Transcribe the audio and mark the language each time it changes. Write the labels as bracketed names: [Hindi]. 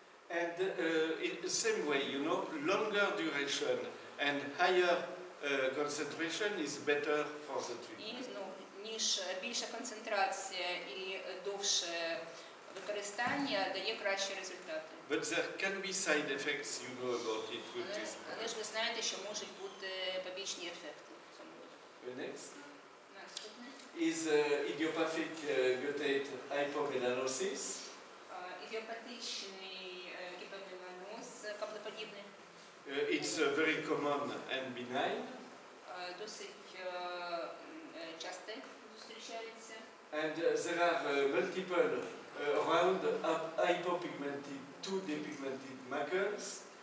[English] And in the same way, you know, longer duration and higher concentration is better for the treatment. [Ukrainian] І, ну, ніж більша концентрація і довше використання дає кращі результати. [English] But there can be side effects, you know about it with this. [Ukrainian] Але ж ви знаєте, що можуть бути побічні ефекти. Наступне. [English] Is idiopathic guttate hypomelanosis. [Ukrainian] Ідіопатичний гіпомеланоз, каплеподібний. [English] It's very common and benign. [Ukrainian] Досить часто зустрічається. [English] And there are multiple round hypopigmented, two depigmented markers.